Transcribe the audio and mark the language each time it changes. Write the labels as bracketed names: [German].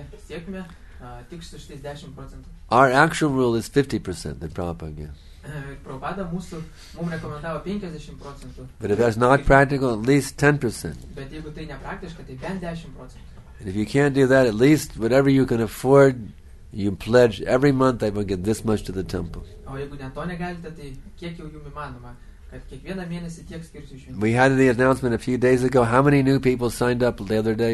[English] Our actual rule is 50% that Prabhupada gave. [Lithuanian] Mum rekomendavo 50%. [English] But if that's not practical, at least 10%. [Lithuanian] Bet jeigu tai nepraktiška, tai bent 10%. [English] And if you can't do that, at least whatever you can afford, you pledge every month I will give this much to the temple. [Lithuanian] O jeigu net to negalite, tai kiek jau jum įmanoma, kad kiekvieną mėnesį tiek skirsiu šiandien. [English] We had the announcement a few days ago. How many new people signed up the other day?